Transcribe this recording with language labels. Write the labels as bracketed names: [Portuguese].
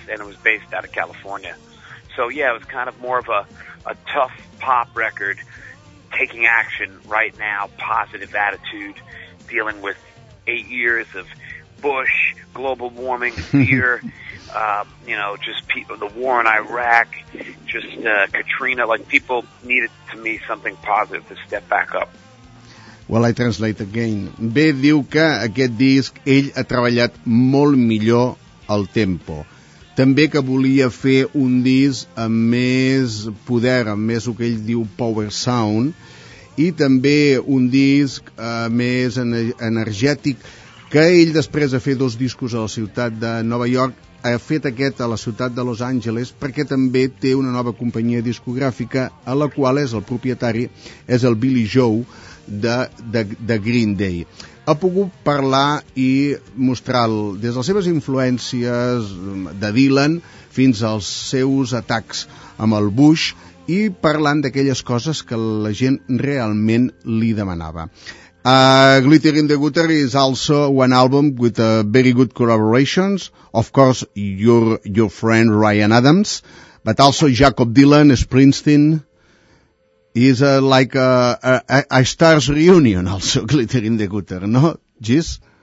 [English] And it was based out of California. So, yeah, it was kind of more of a tough pop record, taking action right now, positive attitude, dealing with 8 years of Bush, global warming, fear, you know, just the war in Iraq, just Katrina. Like, people needed, to me, something positive to step back up. Well, I translate again. [Catalan] Bé, diu que aquest disc, ell ha treballat molt millor el tempo. També que volia fer un disc amb més poder, amb més el que ell diu power sound, i també un disc més energètic, que ell després de fer 2 discos a la ciutat de Nova York ha fet aquest a la ciutat de Los Angeles, perquè també té una nova companyia discogràfica a la qual és el propietari, és el Billy Joe de Green Day. Ha pogut parlar i mostrar des de les seves influències de Dylan fins als seus atacs amb el Bush, i parlant d'aquelles coses que la gent realment li demanava. [English] Glitter in the Gutter is also one album with very good collaborations. Of course, your friend Ryan Adams, but also Jacob Dylan, Springsteen. Is like a stars reunion also, Glitter in the Gutter, no, Gis?